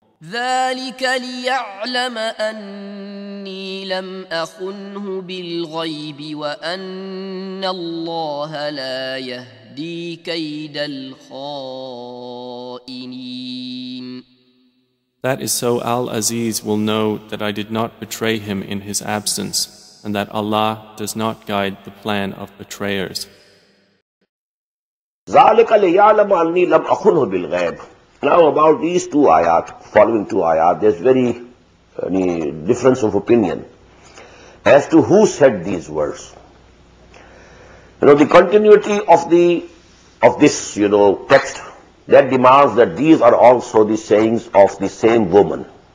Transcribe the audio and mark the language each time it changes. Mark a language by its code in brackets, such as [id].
[ar] ذلك ليعلم أني لم أخنه بالغيب وأن الله لا يهدي كيد الخائنين. [en] That is so Al-Aziz will know that I did not betray him in his absence, and that Allah does not guide the plan of betrayers. [ar] ذلك ليعلم أني لم أخنه بالغيب. [en] Now about these two ayat, following two ayat, there's very difference of opinion as to who said these words. You know, the continuity of this text, that demands that these are also the sayings of the same woman.